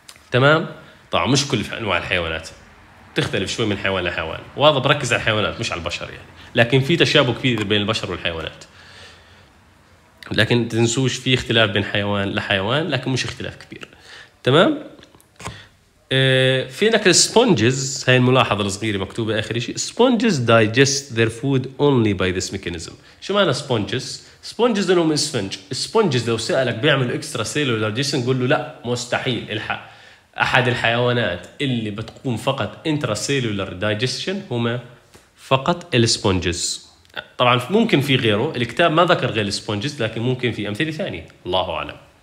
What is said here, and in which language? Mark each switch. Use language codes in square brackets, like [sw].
[ar] تمام؟ طبعا مش كل انواع الحيوانات تختلف شوي من حيوان لحيوان، وهذا بركز على الحيوانات مش على البشر يعني، لكن في تشابه كبير بين البشر والحيوانات. لكن تنسوش في اختلاف بين حيوان لحيوان، لكن مش اختلاف كبير. تمام؟ في عندك السبونجز، هاي الملاحظة الصغيرة مكتوبة آخر شيء. [en] Sponges digest their food only by this mechanism. [ar] شو معنى سبونجز؟ سبونجز إنهم إسفنج. سبونجز لو سألك بيعمل إكسترا سيلولر ديجستشن قول له لا مستحيل، الحق أحد الحيوانات اللي بتقوم فقط intracellular digestion هما فقط السبونجز. طبعا ممكن في غيره، الكتاب ما ذكر غير السبونجز، لكن ممكن في أمثلة ثانية، الله أعلم.